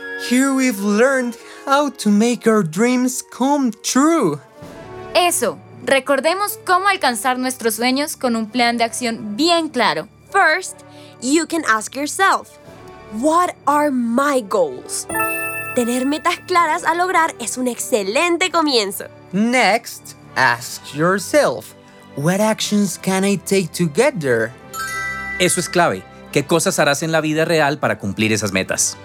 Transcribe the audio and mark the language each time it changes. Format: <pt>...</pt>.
<en>Here we've learned how to make our dreams come true.</en> <es>Eso. Recordemos cómo alcanzar nuestros sueños con un plan de acción bien claro.</es> <en>First, you can ask yourself, what are my goals?</en> <es>Tener metas claras a lograr es un excelente comienzo.</es> <en>Next, ask yourself, what actions can I take to get there?</en> <es>Eso es clave. ¿Qué cosas harás en la vida real para cumplir esas metas?</es>